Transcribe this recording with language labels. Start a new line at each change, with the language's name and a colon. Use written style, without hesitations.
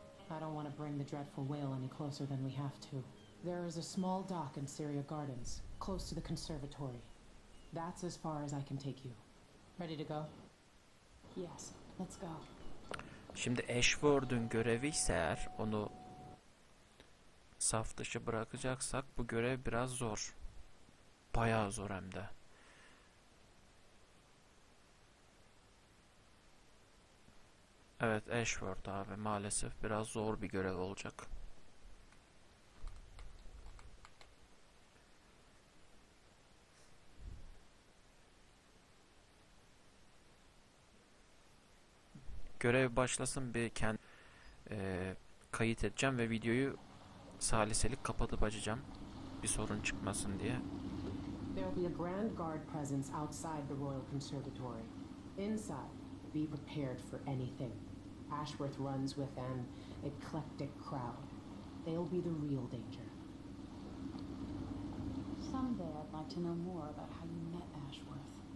English: I don't want to bring the dreadful whale any closer than we have to. There is a small dock in Syria Gardens, close to the conservatory. That's as far as I can take you. Ready to go?
Turkish: Şimdi Ashworth'un görevi ise, eğer onu saf dışı bırakacaksak, bu görev biraz zor. Bayağı zor hem de. Evet, Ashworth abi maalesef biraz zor bir görev olacak. görev başlasın bir kayıt edeceğim ve videoyu saliselik kapatıp açacağım. Bir sorun çıkmasın diye.
English: There'll be a grand guard presence outside the Royal Conservatory. Inside, be prepared for anything. Ashworth runs with an eclectic crowd. They'll be the real danger. Someday I'd like to know more about how you met Ashworth.